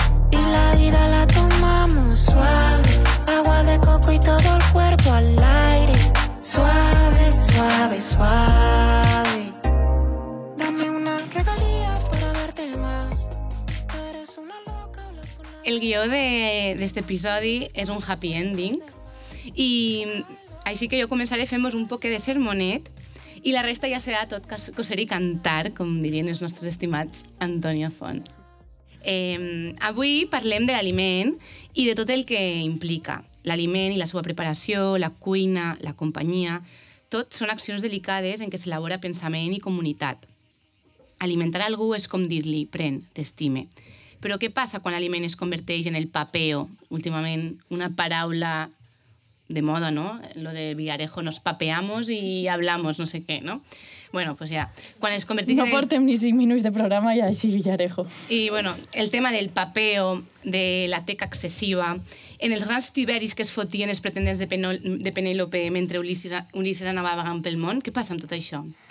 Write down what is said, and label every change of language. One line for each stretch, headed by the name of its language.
Spanish: Y la vida la tomamos suave, agua de coco y todo el cuerpo al aire. Suave, suave, suave. Dame una regalía para verte más. Eres una loca.
Catalan: El guió de este episodi és un happy ending. I així que jo començaré fent-vos un poc de sermonet i la resta ja serà tot coser i cantar, com dirien els nostres estimats Antonio Font. Avui parlem de l'aliment i de tot el que implica. L'aliment i la seva preparació, la cuina, la companyia, tot són accions delicades en què s'elabora pensament i comunitat. Alimentar algú és com dir-li, pren, t'estime. Però què passa quan l'aliment es converteix en el papeo? Últimament, una paraula de moda, ¿no?
Spanish: Lo de Villarejo, nos papeamos y hablamos, no sé qué, ¿no? Bueno, pues ya. Cuando es convertirse
Catalan: no portem ni 5 minuts de programa
Spanish: y así
Catalan: Villarejo.
Spanish: Y bueno, el tema del papeo,
Catalan: de la teca excesiva, en els grans tiberis que es fotien els pretendents de Penélope mentre Ulisses anava vagant pel món, què passa amb tot això?